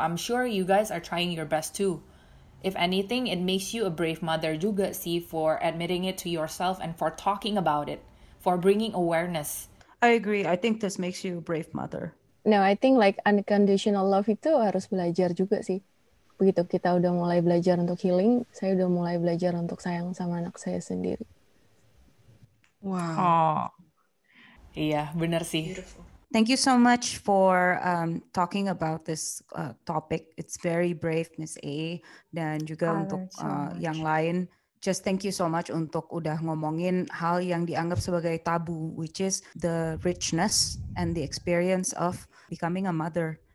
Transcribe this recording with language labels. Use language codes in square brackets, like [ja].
[en] I'm sure you guys are trying your best too. If anything, it makes you a brave mother juga sih for admitting it to yourself and for talking about it. For bringing awareness. I agree. I think this makes you a brave mother. No, I think like unconditional love [id] itu harus belajar juga sih. Begitu kita udah mulai belajar untuk healing, saya udah mulai belajar untuk sayang sama anak saya sendiri. [en] Wow. [id] Oh. Iya, benar sih. [en] Beautiful. Thank you so much for talking about this topic. It's very brave, Miss A. [id] Dan juga untuk yang lain. [en] Just thank you so much [id] untuk udah ngomongin hal yang dianggap sebagai tabu, [en] which is the richness and the experience of becoming a mother.